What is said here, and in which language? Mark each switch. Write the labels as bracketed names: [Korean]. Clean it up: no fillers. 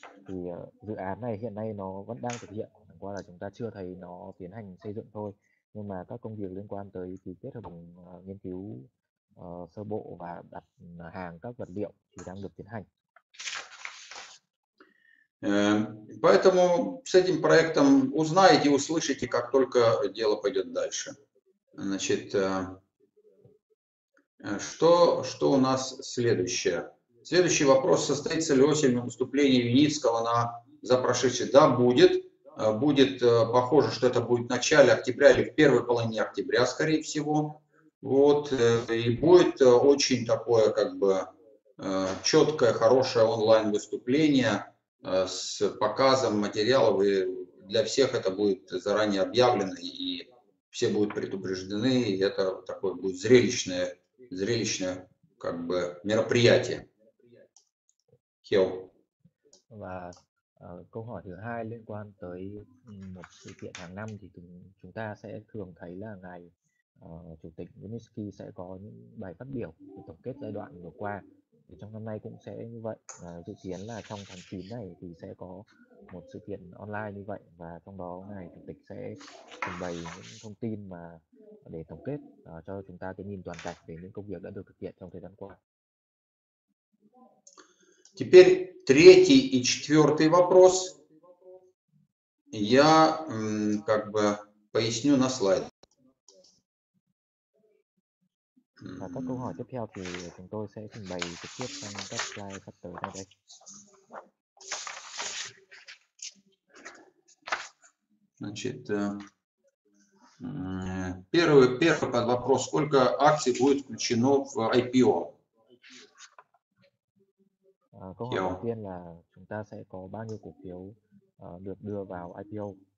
[Vietnamese] Thì dự án này hiện nay nó vẫn đang thực hiện, chẳng qua là chúng ta chưa thấy nó tiến hành xây dựng thôi, nhưng mà các công việc liên quan tới ký kết hợp đồng nghiên cứu sơ bộ và đặt hàng các vật liệu thì đang được tiến hành. [Russian] Поэтому с этим проектом узнаете, услышите, как только дело пойдет дальше. Значит, что у нас следующее? Следующий вопрос, состоится ли осенью выступление Юницкого на запрошедший? Да, будет. Будет, похоже, что это будет в начале октября или в первой половине октября, скорее всего. Вот, и будет очень такое, как бы, четкое, хорошее онлайн-выступление с показом материалов, и для всех это будет заранее объявлено, и все будут предупреждены, и это такое будет зрелищное как бы мероприятие. Хел. [Vietnamese] Câu hỏi thứ hai liên quan tới một sự kiện hàng năm thì chúng ta sẽ thường thấy là ngày chủ tịch UNESCO sẽ có những bài phát biểu để tổng kết giai đoạn vừa qua. Thì trong năm nay cũng sẽ như vậy, dự kiến là trong tháng 9 này thì sẽ có một sự kiện online như vậy và trong đó ngài chủ tịch sẽ trình bày những thông tin mà để tổng kết cho chúng ta cái nhìn toàn cảnh về những công việc đã được thực hiện trong thời gian qua. [Russian] Теперь третий и четвертый вопрос. Я как бы поясню на слайде. [Vietnamese] Và các câu hỏi tiếp theo thì chúng tôi sẽ trình bày trực tiếp trong các slide sắp tới đây. [Russian] Значит, первый под вопрос, сколько акций будет включено в IPO? [Vietnamese] Câu hỏi đầu tiên là chúng ta sẽ có bao nhiêu cổ phiếu được đưa vào IPO?